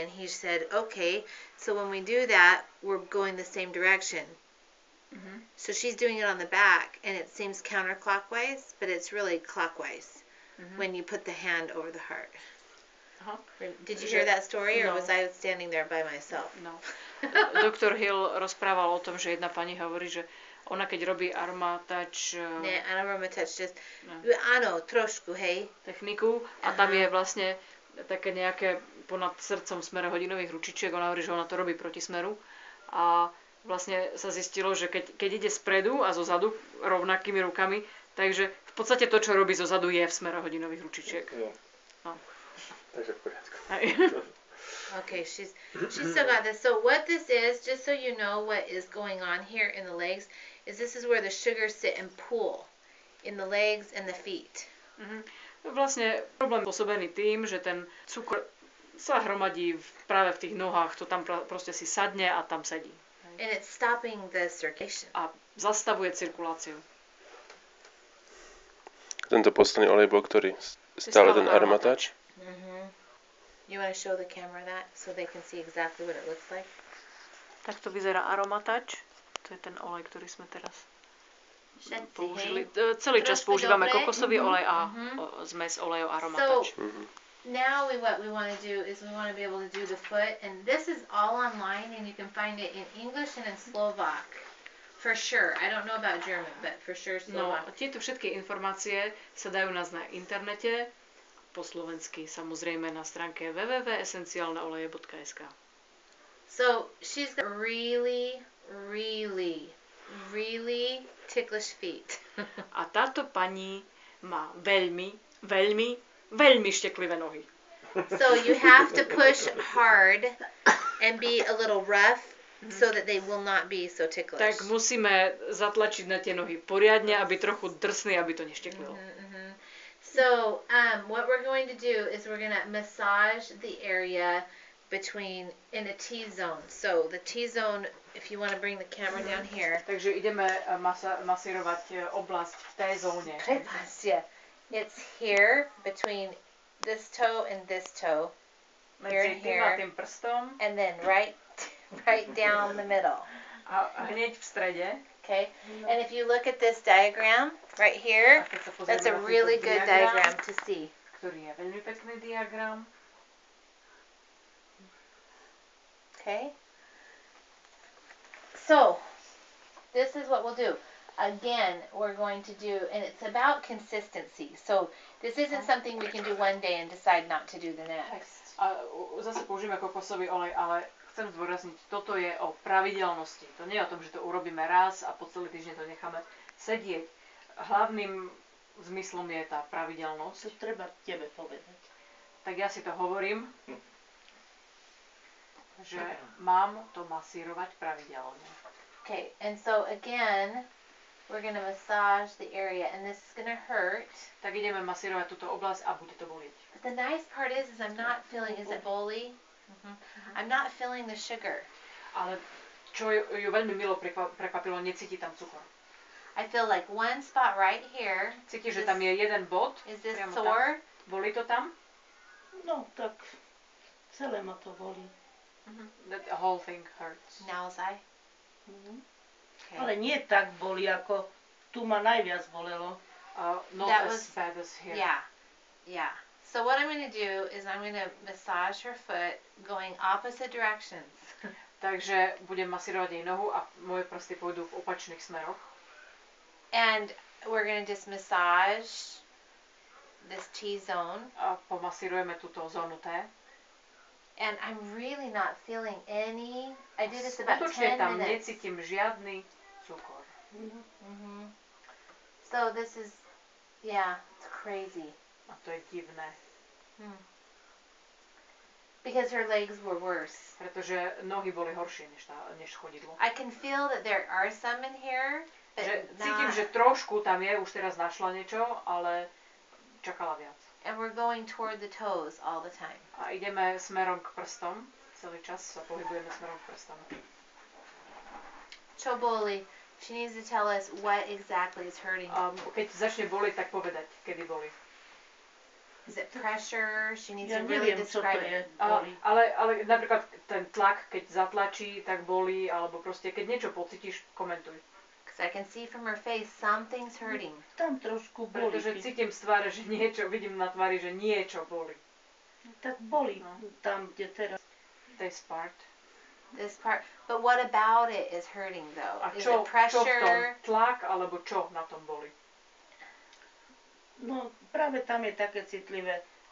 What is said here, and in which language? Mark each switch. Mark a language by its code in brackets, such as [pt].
[en] And he said, "Okay, so when we do that, we're going the same direction." So she's doing it on the back and it seems counterclockwise, but it's really clockwise when you put the hand over the heart. Did you hear that story or was I standing there by myself? No. Dr. [sk] Hill rozprával o tom, že jedna pani hovorí, že ona keď robí aroma touch... Ne, aroma touch, just... No. Áno, trošku, hej? Techniku. A tam je vlastne také nejaké ponad srdcom smere hodinových ručičiek. Ona hovorí, že ona to robí proti smeru. A vlastne sa zistilo, že keď ide spredu a zo zadu rovnakými rukami, takže v podstate to, čo robí zo zadu, je v smere hodinových ručičiek. No. [en] Okay, she's still got this. So what this is, just so you know what is going on here in the legs, is this is where the sugars sit and pool in the legs and the feet. [sk] Vlastne problém je spôsobený tým, že ten cukor sa hromadí práve v tých nohách, to tam proste si sadne a tam sedí. [en] And it's stopping the circulation. [sk] A zastavuje cirkuláciu. Tento posledný olej bol, ktorý stále ten aromatáč. [en] You want to show the camera that so they can see exactly what it looks like? [sk] Tak to vyzerá aromatač. To je ten olej, ktorý sme teraz použili. Celý čas používame kokosový olej a zmes olejov aromatač. [en] So now what we want to do is we want to be able to do the foot. And this is all online and you can find it in English and in Slovak. For sure. I don't know about German, but for sure Slovak. [sk] No, tieto všetky informácie sa dajú nás na internete. po slovensky, samozrejme na stránke www.esencialneoleje.sk. [en] So, she's got really, really, really ticklish feet. [sk] A táto pani má veľmi, veľmi, veľmi šteklivé nohy. [en] So you have to push hard and be a little rough so that they will not be so ticklish. [sk] Tak musíme zatlačiť na tie nohy poriadne, aby trochu drsný, aby to nešteklilo. [en] So what we're going to do is we're going to massage the area between in a T zone. So the T zone, if you want to bring the camera down here. [sk] Takže ideme masírovať oblasť v T zóne. [en] Prepas, yeah. It's here between this toe and this toe. [sk] Medzi here tým prstom. [en] And then right down the middle. [sk] A hneď v strede. [en] Okay. And if you look at this diagram right here, that's a really good diagram to see. [sk] Ktorý je veľmi pekný diagram. [en] Okay. So, this is what we'll do. Again, we're going to do, and it's about consistency. So, this isn't something we can do one day and decide not to do the next. [sk] Zase použijeme kokosový olej, ale chcem zdôrazniť, toto je o pravidelnosti. To nie je o tom, že to urobíme raz a po celý týždeň to necháme sedieť. Hlavným zmyslom je tá pravidelnosť. To treba tebe povedať. Tak ja si to hovorím, že mám to masírovať pravidelne. [en] Okay, and so again, we're going to massage the area and this is going to hurt. [sk] Tak ideme masírovať túto oblasť a bude to boliť. [en] But the nice part is I'm not feeling, is it boli? I'm not feeling the sugar. [sk] Ale čo ju veľmi milo prekvapilo, necíti tam cukor. [en] I feel like one spot right here. [sk] Cíti, že tam je jeden bod. [en] Is this sore? [sk] Boli to tam? No, tak celé ma to boli. [en] That the whole thing hurts. Now's I. [sk] Okay. Ale nie tak boli, ako tu ma najviac bolelo. [en] Not that as was, bad as here. Yeah, yeah. So what I'm going to do is I'm going to massage her foot going opposite directions. [sk] Takže budem masírovať jej nohu a moje prsty pôjdu v opačných smeroch. [en] And we're going to just massage this T-zone. [sk] A pomasírujeme túto zónu T. [en] And I'm really not feeling any, I did this about 10 minutes. [sk] Skutočne tam necítim žiadny cukor. [en] So this is, yeah, it's crazy. [sk] A to je divné. [en] Because her legs were worse. [sk] Pretože nohy boli horšie než chodidlo. [en] I can feel that there are some in here, but [sk] not. Cítim, že trošku tam je, už teraz našla niečo, ale čakala viac. [en] And we're going toward the toes all the time. [sk] A ideme smerom k prstom. Celý čas sa pohybujeme smerom k prstom. Čo boli? [en] She needs to tell us what exactly is hurting. [sk] Keď začne boli, tak povedať, kedy boli. [en] Is it pressure? She needs [sk] ja [en] to really [sk] neviem, [en] describe [sk] to je, [en] it. [sk] Ale napríklad ten tlak, keď zatlačí, tak boli, alebo proste keď niečo pocítiš, komentuj. [en] So I can see from her face something's hurting. [sk] Tam trošku boli. Pretože cítim z tváre, že niečo, vidím na tvári, že niečo boli. Tak boli tam, kde teraz. [en] This part. This part. But what about it is hurting though? [sk] A čo, [en] is it pressure? [sk] Čo v tom? Tlak alebo čo na tom boli? No, práve tam je také citlivé.